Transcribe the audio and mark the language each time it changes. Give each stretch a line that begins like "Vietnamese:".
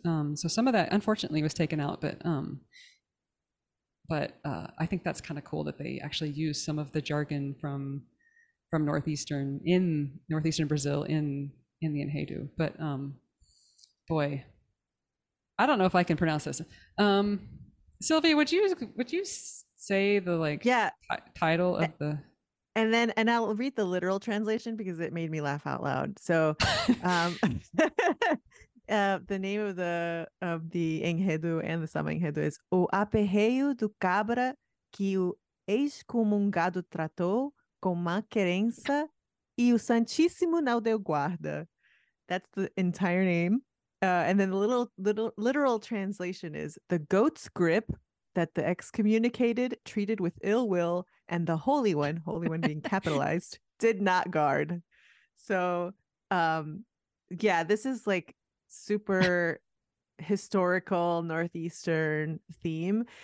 English: So some of that unfortunately was taken out, but I think that's kind of cool that they actually use some of the jargon from northeastern Brazil in the enredo. But boy, I don't know if I can pronounce this. Sylvia, would you say the like title of the, and then, and I'll read the literal translation because it made me laugh out loud. So the name of the enredo and the samba enredo is
Portuguese: O Aperreio do Cabra que o Excomungado tratou com má querença e o Santíssimo não deu guarda.
English: That's the entire name. And then the little literal translation is the goat's grip that the excommunicated treated with ill will, and the Holy One being capitalized, did not guard. So, yeah, this is like super historical Northeastern theme.